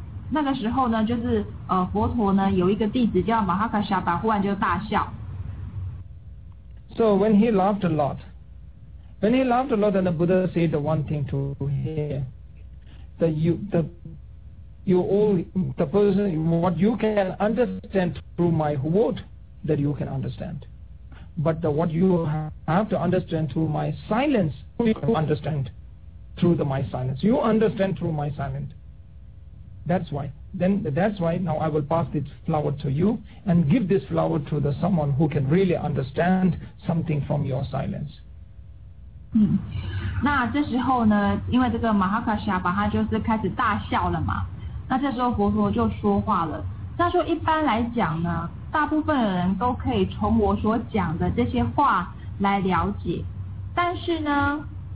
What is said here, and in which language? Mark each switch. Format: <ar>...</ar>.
<zh>那个时候呢，就是佛陀呢有一个弟子叫 Mahakashyapa， 忽然就大笑。</zh> <en>So when he laughed a lot, then the Buddha said the one thing to hear that you all, the person, what you can understand through my word, that you can understand, but the, what you have to understand through my silence, you can understand. Through the my silence, you understand through my silence. That's why. Now I will pass this flower to you and give this flower to the someone who can really understand something from your silence.</en> <zh>那这时候呢，因为这个 Mahakashyapa 他就是开始大笑了嘛。那这时候佛陀就说话了。他说一般来讲呢，大部分的人都可以从我所讲的这些话来了解，但是呢。</zh>